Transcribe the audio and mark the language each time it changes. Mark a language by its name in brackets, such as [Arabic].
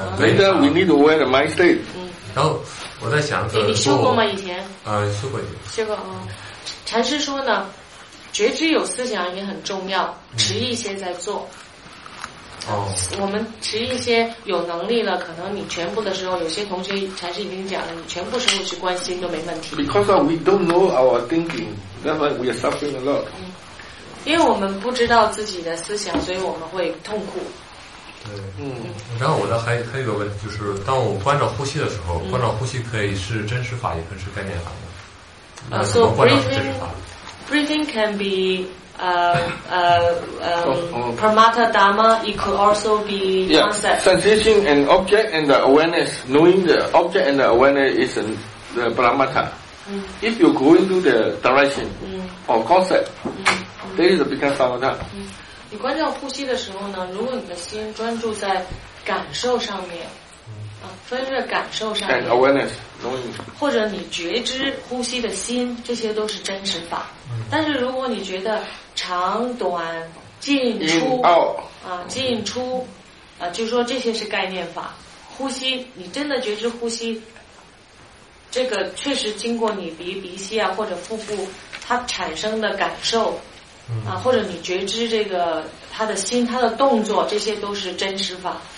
[English] Later we need to aware the mind state. [Chinese] 然后我在想，你修过吗？以前？修过。修过啊。禅师说呢，觉知有思想也很重要，迟一些再做。我们持一些有能力了，可能你全部的时候，有些同学禅师已经讲了，你全部时候去关心都没问题。 [English] Because we don't know our thinking, that's why we are suffering a lot. [Chinese] 因为我们不知道自己的思想，所以我们会痛苦。对。对，嗯，然后我呢还有个问题，就是当我关照呼吸的时候，关照呼吸可以是真实法，也可以是概念法的。啊，所以 [English] breathing can be pramatta dharma. It could also be concept. Yeah, sensation and object and the awareness. Knowing the object and the awareness is the pramatta. If you go into the direction or concept, there is a big pramatta. [Chinese] 你关照呼吸的时候呢，如果你的心专注在感受上面，分着感受上面 [English] awareness, [Chinese] 或者你觉知呼吸的心，这些都是真实法。但是如果你觉得长短进出进出就是说这些是概念法，呼吸你真的觉知呼吸，这个确实经过你鼻息啊或者腹部它产生的感受啊，或者你觉知这个他的心他的动作，这些都是真实法。